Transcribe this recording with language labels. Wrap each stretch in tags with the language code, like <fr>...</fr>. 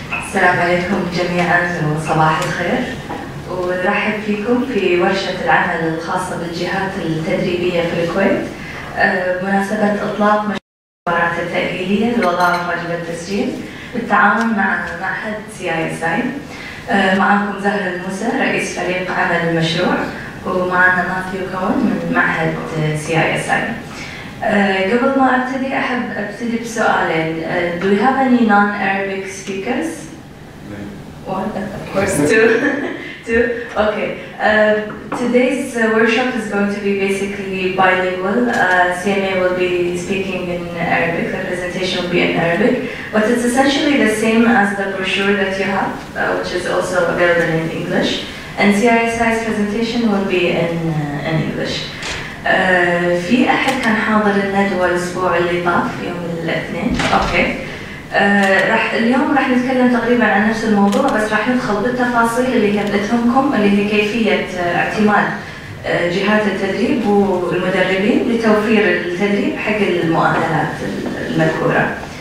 <ar>السلام عليكم جميعا وصباح الخير، ونرحب فيكم في ورشة العمل الخاصة بالجهات التدريبية في الكويت بمناسبة إطلاق مشروعات التأهيلية للوظائف واجب التسجيل بالتعاون مع معهد CISI. معكم زهر الموسى رئيس فريق عمل المشروع، ومعنا ماثيو كون من معهد CISI. قبل ما أبتدي أحب أبتدي بسؤالين.</ar> <en>Do we have any non-Arabic speakers? One, of course, two. Okay. Today's workshop is going to be basically bilingual. CMA will be speaking in Arabic. The presentation will be in Arabic, but it's essentially the same as the brochure that you have, which is also available in English. And CISI's presentation will be in English.</en> <ar>في أحد كان حاضر الندوة الأسبوع اللي طاف يوم الاثنين.</ar> <en>Okay.</en> <ar>اليوم راح نتكلم تقريبا عن نفس الموضوع، بس راح ندخل بالتفاصيل اللي هي بأذنكم، اللي هي كيفية اعتماد جهات التدريب والمدربين لتوفير التدريب حق المؤهلات المذكورة.</ar>